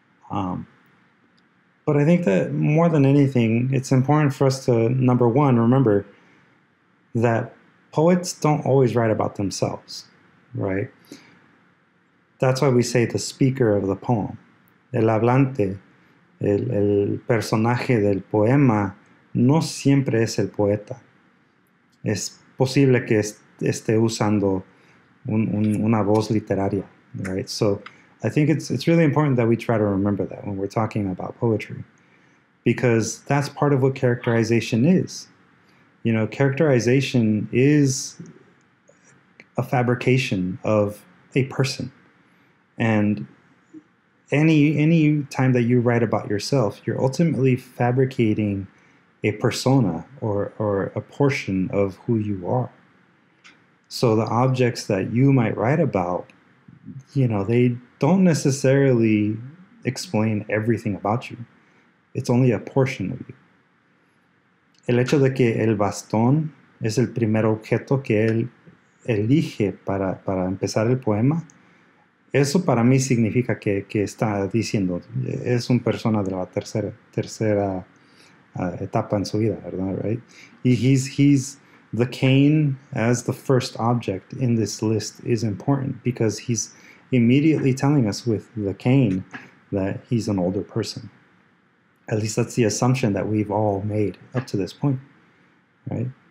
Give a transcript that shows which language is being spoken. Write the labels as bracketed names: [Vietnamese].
[English] But I think that more than anything, it's important for us to, number one, remember that poets don't always write about themselves, right? That's why we say the speaker of the poem. [Spanish] El hablante, el personaje del poema, no siempre es el poeta. Es posible que esté usando una voz literaria, right? [English] So I think it's really important that we try to remember that when we're talking about poetry, because that's part of what characterization is. You know, characterization is a fabrication of a person. And any time that you write about yourself, you're ultimately fabricating a persona or a portion of who you are. So the objects that you might write about, you know, they don't necessarily explain everything about you. It's only a portion of you. [Spanish] El hecho de que el bastón es el primer objeto que él elige para empezar el poema, eso para mí significa que está diciendo, es una persona de la tercera etapa en su vida, ¿verdad? [English] Right? Y he's the cane as the first object in this list is important because he's immediately telling us with the cane that he's an older person. At least that's the assumption that we've all made up to this point, right?